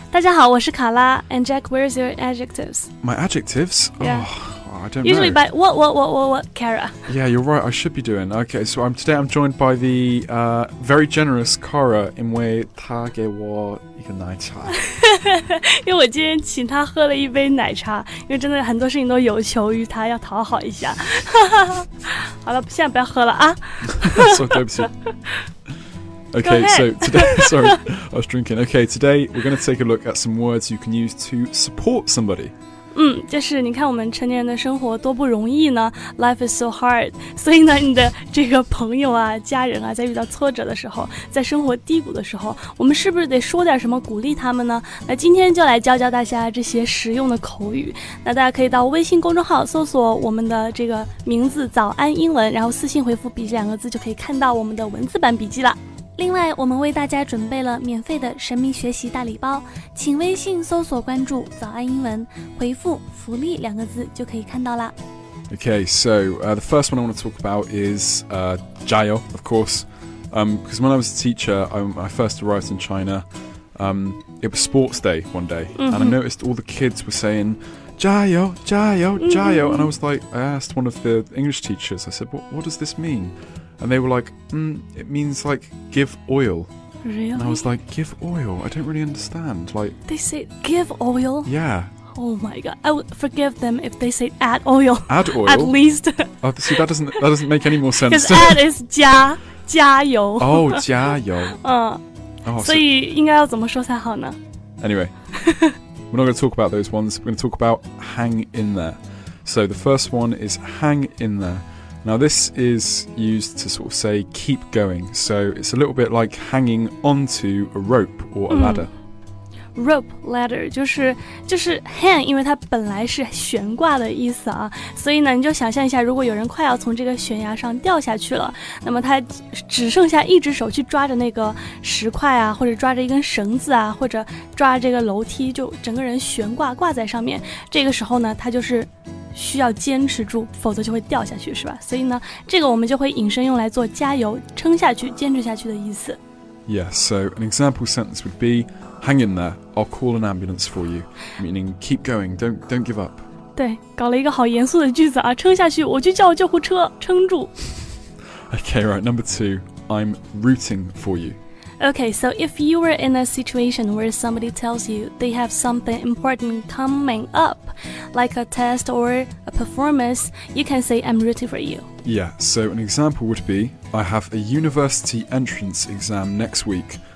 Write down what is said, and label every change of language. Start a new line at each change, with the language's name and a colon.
Chinese: 大家好我是卡拉
English: and Jack, where is your adjectives? My adjectives? Yeah. Oh, I don't know. What, Kara? Yeah, you're right, I should be doing. Okay, so today I'm joined by the very generous Kara,
Chinese: 因为她给我一个奶茶。因为我今天请她喝了一杯奶茶，因为真的很多事情都有求于她，要讨好一下。好了，现在不要喝了啊。
English: Sorry,
Chinese: 对不起。
English: Okay, so today, sorry, I was drinking. Okay, today we're going to take a look at some words you can use to support somebody.
Chinese: 就是你看我们成年人的生活多不容易呢
English: Life is so hard
Chinese: 所以呢你的这个朋友啊家人啊在遇到挫折的时候在生活低谷的时候我们是不是得说点什么鼓励他们呢那今天就来教教大家这些实用的口语那大家可以到微信公众号搜索我们的这个名字早安英文然后私信回复笔记两个字就可以看到我们的文字版笔记了另外我们为大家准备了免费的神秘学习大礼包请微信搜索关注早安英文回复福利两个字就可以看到了
English: Okay, so the first one I want to talk about is 加油 of course because when I was a teacher I first arrived in China it was sports day one day、mm-hmm. and I noticed all the kids were saying 加油加油加油、mm-hmm. and I was like I asked one of the English teachers I said what does this meanAnd they were like,、it means like give oil. Really? And I was like, give oil? I don't really understand. Like, they say give oil? Yeah. Oh my god. I would forgive them if they say add oil. Add oil? At least. Oh, see, that doesn't make any more sense. Because add is 加, 加油. Oh, 加油.
Chinese: So, 应该要怎么说才好呢?
English: Anyway, we're not going to talk about those ones. We're going to talk about hang in there. So the first one is hang in there. Now, this is used to sort of say keep going. So, it's a little bit like hanging onto a rope or a ladder.、 Rope, ladder,
Chinese: 就是 hang, 因为它本来是悬挂的意思啊。所以呢，你就想象一下，如果有人快要从这个悬崖上掉下去了，那么他只剩下一只手去抓着那个石块啊，或者抓着一根绳子啊，或者抓这个楼梯，就整个人悬挂挂在上面。这个时候呢，他就是需要坚持住，否则就会掉下去，是吧？所以呢，这个我们就会引申用来做加油、撑下去、坚持下去的意思。
English: Yeah, so an example sentence would be, "Hang in there, I'll call an ambulance for you," meaning keep going, don't give up.
Chinese: 对，搞了一个好严肃的句子啊，撑下去，我去叫救护车，撑住。
English: Okay, right. Number two, I'm rooting for you. Okay, so if you were in a situation where somebody tells you they have something important coming up, like a test or a performance, you can say, I'm rooting for you. Yeah, so an example would be, I have a university entrance exam next week.